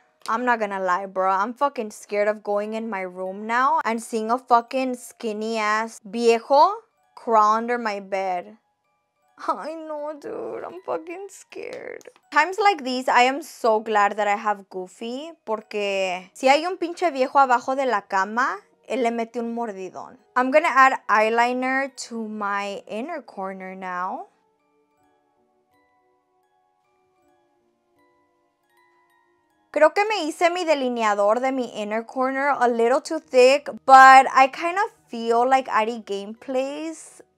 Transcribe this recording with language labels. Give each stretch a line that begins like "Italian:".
English: I'm not gonna lie, bro. I'm fucking scared of going in my room now and seeing a fucking skinny ass viejo crawl under my bed. I know, dude. I'm fucking scared. Times like these, I am so glad that I have Goofy.
Spanish: Porque si hay un pinche viejo abajo de la cama, él le mete un mordidón.
English: I'm gonna add eyeliner to my inner corner now.
Spanish: Creo que me hice mi delineador de mi
English: inner corner a little too thick, but I kind of feel like Ari gameplays.